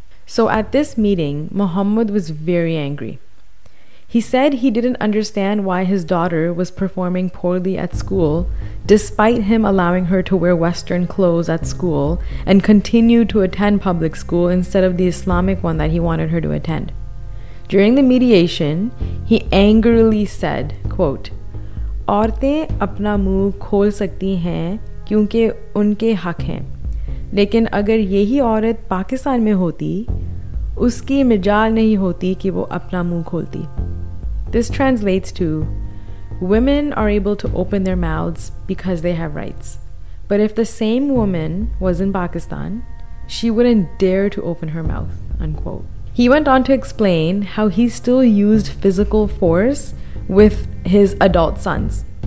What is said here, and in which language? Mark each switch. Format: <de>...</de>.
<en>So at this meeting, Muhammad was very angry. He said he didn't understand why his daughter was performing poorly at school, despite him allowing her to wear Western clothes at school and continue to attend public school instead of the Islamic one that he wanted her to attend. During the mediation, he angrily said, quote,</en> <ur>"عورتیں اپنا منہ کھول سکتی ہیں کیونکہ ان کے حق ہیں. لیکن اگر یہی عورت پاکستان میں ہوتی, اس کی مجال نہیں ہوتی کہ وہ اپنا منہ کھولتی."</ur> <en>This translates to, women are able to open their mouths because they have rights. But if the same woman was in Pakistan, she wouldn't dare to open her mouth, unquote. He went on to explain how he still used physical force with his adult sons.</en>